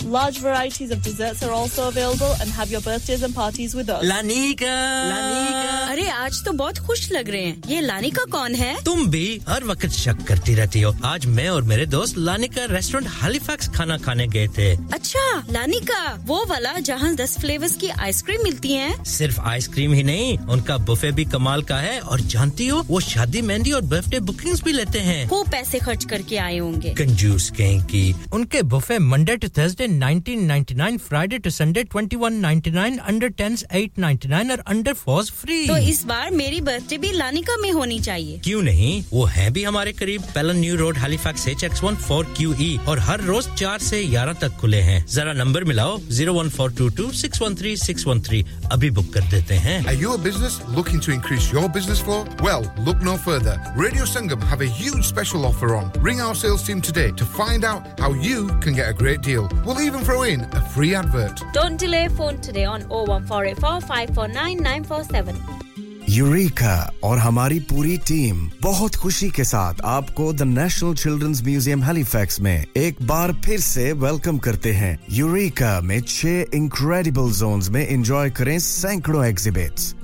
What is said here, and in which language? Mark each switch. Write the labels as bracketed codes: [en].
[en] Large varieties of desserts are also available, and have your birthdays and parties with us. Lanika! Lanika! [hi] अरे आज तो बहुत खुश लग रहे हैं. ये लानिका कौन है? तुम भी हर वक्त शक करती रहती हो. आज मैं और मेरे दोस्त लानिका रेस्टोरेंट हैलिफैक्स खाना खाने गए थे. अच्छा, लानिका वो वाला जहां 10 फ्लेवर्स की आइसक्रीम मिलती है? सिर्फ आइसक्रीम ही नहीं, उनका बुफे भी कमाल का है. और जानती हो, वो शादी मेहंदी और बर्थडे बुकिंग्स भी लेते हैं. वो पैसे खर्च करके आए होंगे. कंजूस कहेंगी. उनके buffet Monday to Thursday 19.99, Friday to Sunday 21.99, under 10s 8.99 और अंडर 4s फ्री. तो इस बार मेरी बर्थडे भी लानिका में होनी चाहिए. क्यों नहीं, वो है भी हमारे करीब. पेलन new road, Halifax, HX1 4QE. और हर रोज 4 से 11 तक खुले हैं. जरा नंबर मिलाओ, 01422613613. अभी बुक कर देते हैं. [en] Are you a business looking to increase your business flow? Well, look no further. Radio Sangam have a huge special offer on. Ring our sales team today to find out how you can get a great deal. We'll even throw in a free advert. Don't delay, phone today on 01484549947. [hi] Eureka और हमारी पूरी team बहुत खुशी के साथ आपको the national children's museum Halifax में एक बार फिर से वेलकम करते हैं. यूरेका में 6 इनक्रेडिबल जोन्स में एंजॉय करें सैकड़ों एग्जिबिट्स.